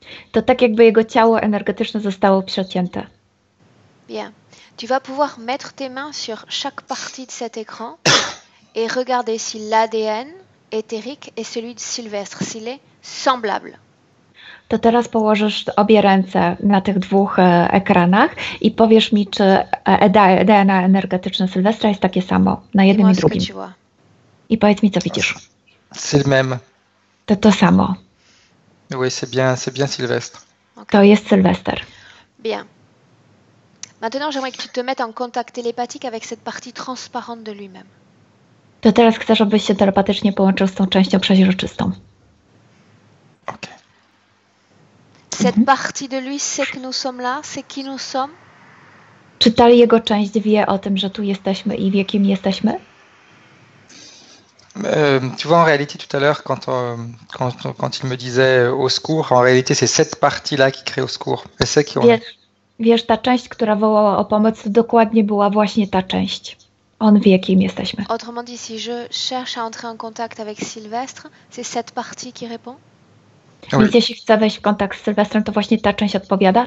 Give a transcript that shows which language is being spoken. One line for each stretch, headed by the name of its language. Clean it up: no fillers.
Polish: To tak jakby jego ciało energetyczne zostało przecięte.
French: Bien. Tu vas pouvoir mettre tes mains sur chaque partie de cet écran et regarder si l'ADN éthérique est celui de Sylvestre, s'il est semblable.
Polish: To teraz położysz obie ręce na tych dwóch ekranach i powiesz mi, czy DNA energetyczne Sylwestra jest takie samo na jednym i drugim. I powiedz mi, co widzisz.
French: C'est le même.
Polish: To samo.
French: Oui, c'est bien Sylvestre.
Polish: Okay. To jest Sylwester.
French: Bien. Maintenant, j'aimerais que tu te mettes en contact télépathique avec cette partie transparente de lui-même.
Polish: To teraz chcę, żebyś się telepatycznie połączył z tą częścią przeźroczystą. Ok.
French: Cette partie de lui sait que nous sommes là, c'est qui nous sommes?
Polish: Czy ta jego część wie o tym, że tu jesteśmy i w jakim jesteśmy?
French: Tu vois, en réalité, tout à l'heure, quand il me disait au secours, en réalité, c'est cette partie-là qui crée au secours. Et c'est qui on est.
Polish: Wiesz, ta część, która wołała o pomoc, to dokładnie była właśnie ta część. On wie, kim jesteśmy.
French: Autrement dit, si je cherche à entrer en contact avec Sylvestre, c'est cette partie qui répond?
Polish: Więc jeśli chcę wejść w kontakt z Sylwestrem, to właśnie ta część odpowiada?